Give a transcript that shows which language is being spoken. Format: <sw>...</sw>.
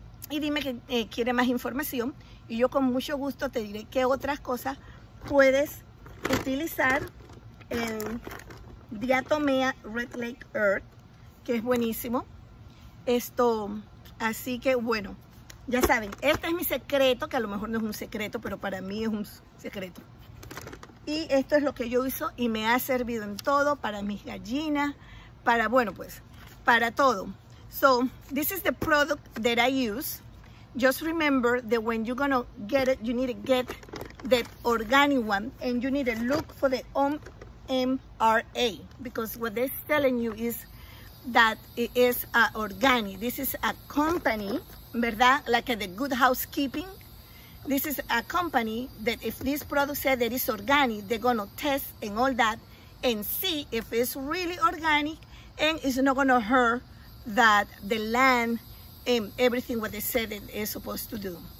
<es>Y dime que quiere más información y yo con mucho gusto te diré qué otras cosas puedes utilizar en Diatomea Red Lake Earth, que es buenísimo. Esto, así que bueno, ya saben, este es mi secreto, que a lo mejor no es un secreto, pero para mí es un secreto. Y esto es lo que yo uso y me ha servido en todo, para mis gallinas, para, bueno, pues, para todo.</es> <en>So, this is the product that I use. Just remember that when you're gonna get it, you need to get that organic one and you need to look for the MRA, because what they're telling you is that it is organic. This is a company, ¿verdad? Like the Good Housekeeping. This is a company that if this product says that it's organic, they're gonna test and all that and see if it's really organic and it's not gonna hurt that the land and everything what they said it is supposed to do.</en>